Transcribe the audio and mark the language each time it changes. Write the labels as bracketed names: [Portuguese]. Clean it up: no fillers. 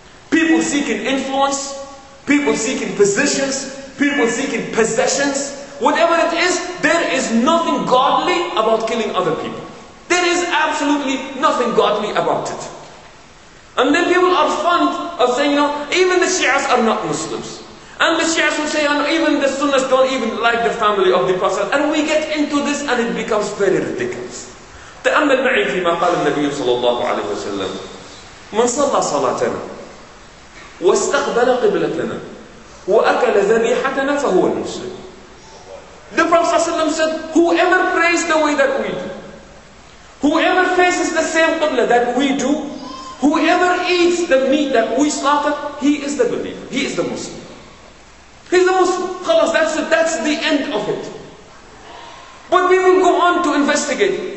[English] People seeking influence, people seeking positions, people seeking possessions, whatever it is, there is nothing godly about killing other people. There is absolutely nothing godly about it. And then people are fond of saying, you know, even the Shias are not Muslims. And the Shias will say, you know, even the Sunnis don't even like the family of the Prophet. And we get into this and it becomes very ridiculous. [Arabic] تأمل معي فيما قال النبي صلى الله عليه وسلم من صلى صلاتنا واستقبل قبلتنا وأكل ذبيحتنا فهو المسلم. [English] The Prophet ﷺ said, whoever prays the way that we do, whoever faces the same qibla that we do, whoever eats the meat that we slaughter, he is the believer. He is the Muslim. He's the Muslim. خلاص, that's it. That's the end of it. But we will go on to investigate.